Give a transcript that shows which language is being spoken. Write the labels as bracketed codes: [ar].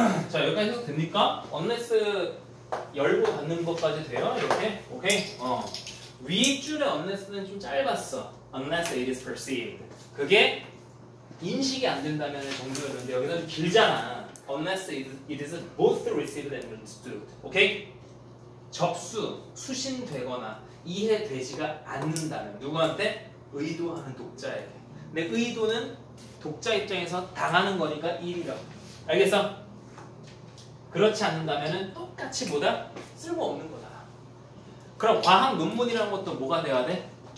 [ko] 자, 여기까지 해도 됩니까? unless 열고 닫는 것까지 돼요? 이렇게? 오케이? 어. 위줄의 unless는 좀 짧았어. [en] unless it is perceived. [ko] 그게 인식이 안 된다면 정도였는데 여기는 좀 길잖아. [en] unless it is both received and understood. [ko] 오케이? 접수, 수신되거나 이해되지가 않는다면 누구한테? 의도하는 독자에게. 내 의도는 독자 입장에서 당하는 거니까 1이라고. 알겠어? 그렇지 않는다면 똑같이 뭐다? 쓸모없는 거다. 그럼 과학 논문이라는 것도 뭐가 돼야 돼?